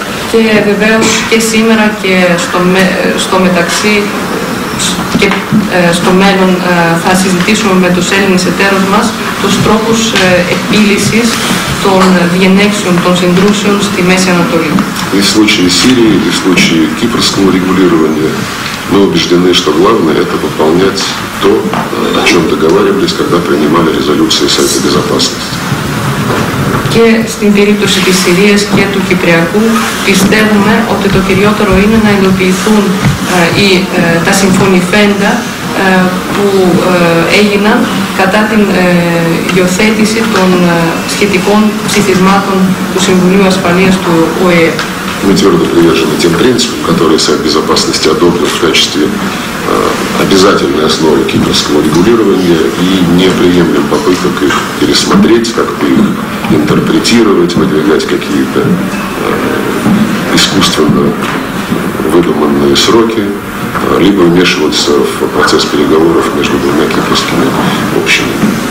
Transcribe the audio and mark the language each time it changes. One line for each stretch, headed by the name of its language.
Greek: Και βεβαίως και σήμερα και στο μεταξύ και στο μέλλον θα συζητήσουμε με τους Έλληνες εταίρους μας τους τρόπους επίλυσης των διενέξεων, των συντρούσεων στη Μέση Ανατολή.
Russian: И в случае Сирии, и в случае кипрского регулирования мы убеждены, что главное это выполнять то, о чем договаривались, когда принимали резолюции Совета Безопасности.
Greek: Και στην περίπτωση της Συρίας και του Κυπριακού πιστεύουμε ότι το κυριότερο είναι να υλοποιηθούν τα συμφωνηφέντα που έγιναν κατά την υιοθέτηση των σχετικών ψηφισμάτων του Συμβουλίου Ασφαλείας του ΟΗΕ.
Russian: Мы твердо привержены тем принципам, которые Совет Безопасности одобрил в качестве обязательной основы кипрского регулирования и не приемлем попыток их пересмотреть, как бы их интерпретировать, выдвигать какие-то искусственно выдуманные сроки, либо вмешиваться в процесс переговоров между двумя кипрскими общинами.